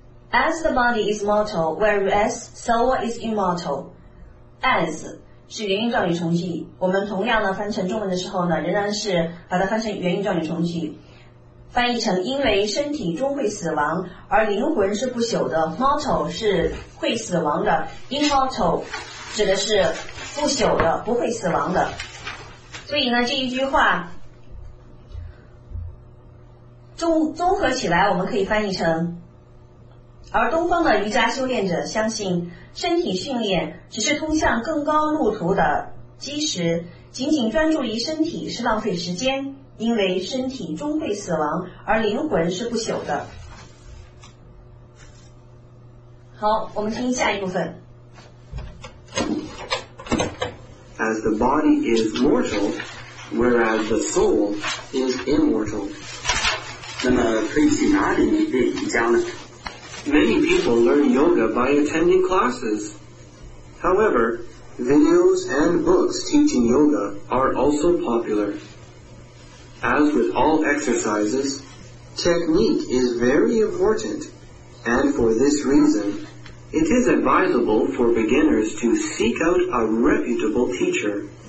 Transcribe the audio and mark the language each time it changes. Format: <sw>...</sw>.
<en>As the body is mortal, whereas soul is immortal.</en> <zh>As 是原因状语从句，我们同样呢翻成中文的时候呢，仍然是把它翻成原因状语从句，翻译成因为身体终会死亡，而灵魂是不朽的。 Mortal 是会死亡的 ，immortal 指的是不朽的，不会死亡的。所以呢，这一句话综合起来，我们可以翻译成。而东方的瑜伽修炼者相信，身体训练只是通向更高路途的基石，仅仅专注于身体是浪费时间，因为身体终会死亡，而灵魂是不朽的。好，我们听下一部分。</zh> <en>As the body is mortal, whereas the soul is immortal.</en> <zh>那么可以去哪里练瑜伽呢？</zh> <en>Many people learn yoga by attending classes. However, videos and books teaching yoga are also popular. As with all exercises, technique is very important, and for this reason, it is advisable for beginners to seek out a reputable teacher.</en>